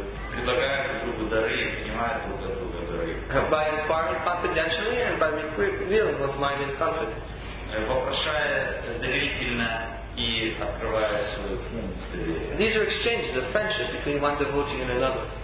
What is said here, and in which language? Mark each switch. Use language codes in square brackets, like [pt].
[ru] Предлагая друг другу дары, принимая друг от друга дары. [en] By inquiring confidentially and by revealing what mind is confident. [ru] Вопрошая доверительно и открывая свою ум с доверием. [en] These are exchanges of friendship between one devotee and another.